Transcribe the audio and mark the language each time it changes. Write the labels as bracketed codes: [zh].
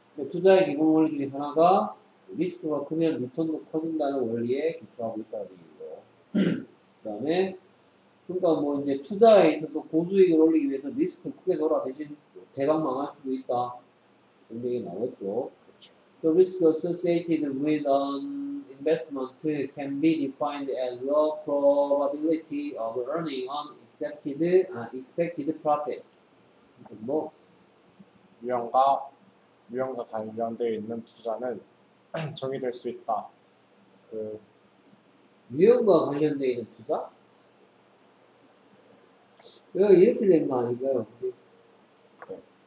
[ko] 투자의 기본 원리 중에 하나가 리스크가 크면 리턴도 커진다는 원리에 기초하고 있다는 얘기예요. 그 다음에 그러니까 뭐 이제 투자에 있어서 고수익을 올리기 위해서 리스크 크게 돌아 대신 대박 망할 수도 있다 이런 얘기 나왔죠. 그렇죠. [en] The risk associated with an investment can be defined as the probability of earning an accepted, expected profit. [ko] 뭐 위험과 관련되어 있는 투자는 정의될 수 있다. 그 위험과 관련되어 있는 투자? 이렇게 된 거 아닌가요? 네.